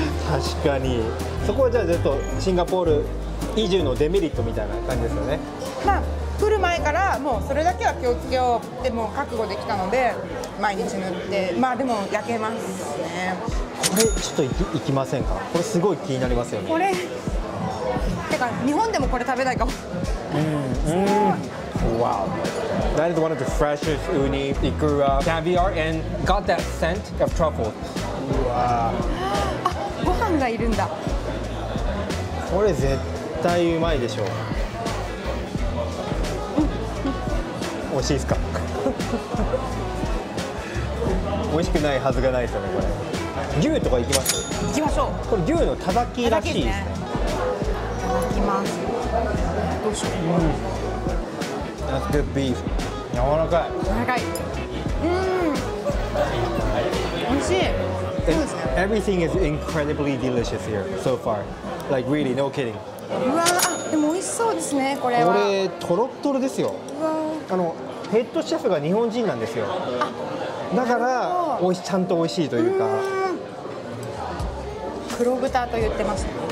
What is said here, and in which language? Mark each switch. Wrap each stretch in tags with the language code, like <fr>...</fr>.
<ja>確かに、そこはじゃあずっとシンガポール移住のデメリットみたいな感じですよね。まあ来る前からもうそれだけは気をつけようってもう覚悟できたので、毎日塗って、まあでも焼けますね。これちょっと行きませんか。これすごい気になりますよね。これてか日本でもこれ食べないかも。</ja> <en>うん、わお、 That is one of the freshest uni ikura caviar and got that scent of truffle.</en> <ja>うわ、あ、ご飯がいるんだ。これ絶対絶対うまいでしょう。うん、美味しいですか。美味しくないはずがないですよねこれ。牛とか行きます？行きましょう。これ牛のたたきらしいですね。いただきます。どうしよう、うん、</ja> <en>That's good beef.</en> <ja>柔らかい柔らかい。うん、美味しい。</ja> <en>Everything is incredibly delicious here so far. Like really, no kidding.</en> <ja>うわあ、でも美味しそうですね、これは。これトロットロですよ。あのヘッドシェフが日本人なんですよ。だからおいしちゃんと美味しいというか。黒豚と言ってます、ね。</ja>